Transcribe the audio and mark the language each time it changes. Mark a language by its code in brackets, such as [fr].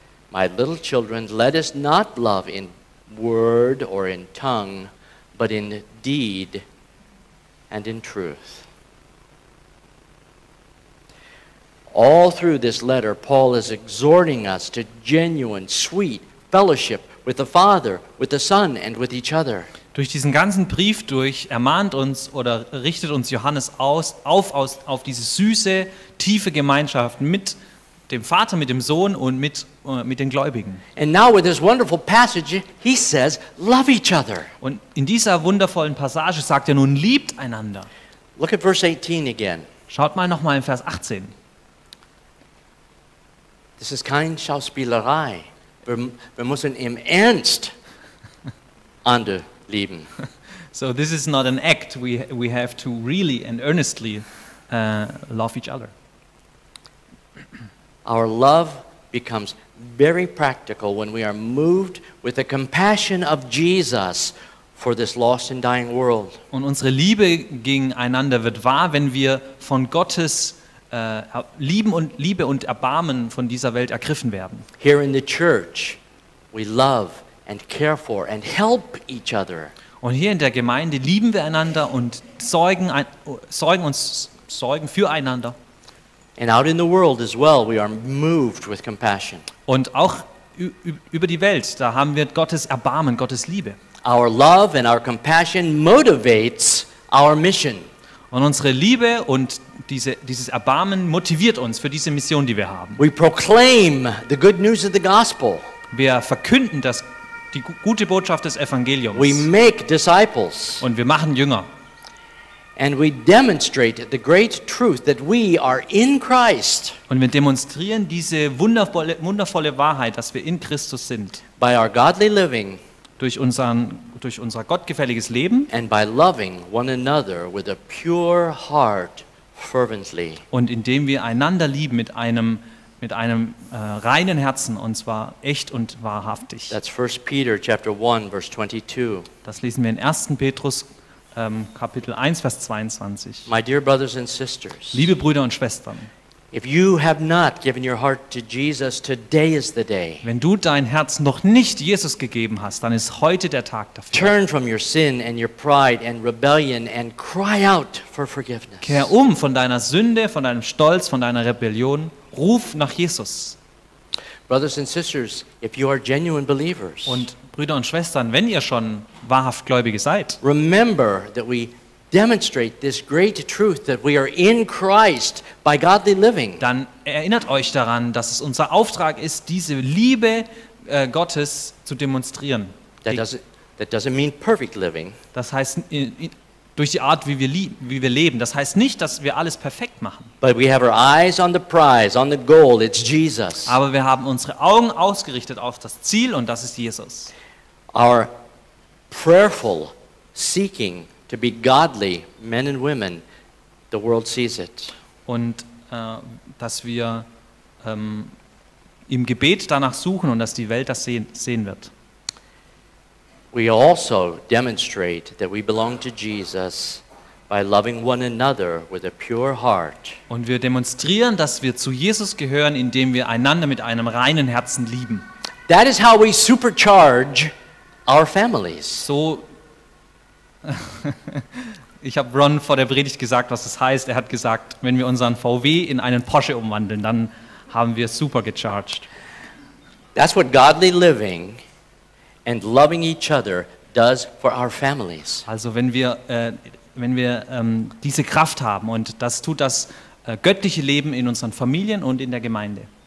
[en] My little children, let us not love in word or in tongue, but in deed and in truth. All through this letter, Paul is exhorting us to genuine, sweet fellowship with the Father, with the Son, and with each other. [de] Durch diesen ganzen Brief durch ermahnt uns oder richtet uns Johannes auf diese süße, tiefe Gemeinschaft mit dem Vater, mit dem Sohn und mit den Gläubigen. [en] And now with this wonderful passage, he says, love each other. [de] Und in dieser wundervollen Passage sagt nun, liebt einander. [en] Look at verse 18 again. [de] Schaut mal nochmal in Vers 18. Das ist kein Schauspielerei. Wir müssen im Ernst andere lieben. [en] So this is not an act. We have to really and earnestly love each other. Our love becomes very practical when we are moved with the compassion of Jesus for this lost and dying world. [de] Und unsere Liebe gegeneinander wird wahr, wenn wir von Gottes Liebe und Erbarmen von dieser Welt ergriffen werden. [en] Here in the church, we love and care for and help each other. [de] Und hier in der Gemeinde lieben wir einander und sorgen füreinander. [en] And out in the world as well, we are moved with compassion. [de] Und auch über die Welt, da haben wir Gottes Erbarmen, Gottes Liebe. [en] Our love and our compassion motivates our mission. [de] Und unsere Liebe und dieses Erbarmen motiviert uns für diese Mission, die wir haben. [en] We proclaim the good news of the gospel. [de] Wir verkünden die gute Botschaft des Evangeliums. [en] We make disciples. [de] Und wir machen Jünger. [en] And we demonstrate the great truth that we are in Christ. [de] Und wir demonstrieren diese wundervolle Wahrheit, dass wir in Christus sind. [en] By our godly living. [de] Durch unser gottgefälliges Leben. [en] And by loving one another with a pure heart fervently. [de] Und indem wir einander lieben mit einem reinen Herzen, und zwar echt und wahrhaftig. [en] That's 1 Peter chapter 1 verse 22. [de] Das lesen wir in 1. Petrus Kapitel 1 Vers 22. [en] My dear brothers and sisters. [de] Liebe Brüder und Schwestern. [en] If you have not given your heart to Jesus, today is the day. [de] Wenn du dein Herz noch nicht Jesus gegeben hast, dann ist heute der Tag dafür. [en] Turn from your sin and your pride and rebellion and cry out for forgiveness. [de] Kehr um von deiner Sünde, von deinem Stolz, von deiner Rebellion. Ruf nach Jesus. [en] Brothers and sisters, if you are genuine believers. [de] Und Brüder und Schwestern, wenn ihr schon wahrhaft Gläubige seid. [en] Remember that we demonstrate this great truth that we are in Christ by godly living. [de] Dann erinnert euch daran, dass es unser Auftrag ist, diese Liebe Gottes zu demonstrieren. [en] That doesn't mean perfect living. [de] Das heißt durch die Art, wie wir leben. Das heißt nicht, dass wir alles perfekt machen. [en] But we have our eyes on the prize, on the goal. It's Jesus. [de] Aber wir haben unsere Augen ausgerichtet auf das Ziel, und das ist Jesus. [en] Our prayerful seeking to be godly men and women, the world sees it. [de] Und dass wir im Gebet danach suchen und dass die Welt das sehen wird. [en] We also demonstrate that we belong to Jesus by loving one another with a pure heart. [de] Und wir demonstrieren, dass wir zu Jesus gehören, indem wir einander mit einem reinen Herzen lieben. [en] That is how we supercharge our families. [de] So Ich habe Ron vor der Predigt gesagt, was das heißt. Er hat gesagt, wenn wir unseren VW in einen Porsche umwandeln, dann haben wir supercharged. [en] That's what godly living and loving each other does for our families. [de] Also wenn wir diese Kraft haben, und das tut das göttliche Leben in unseren Familien und in der Gemeinde.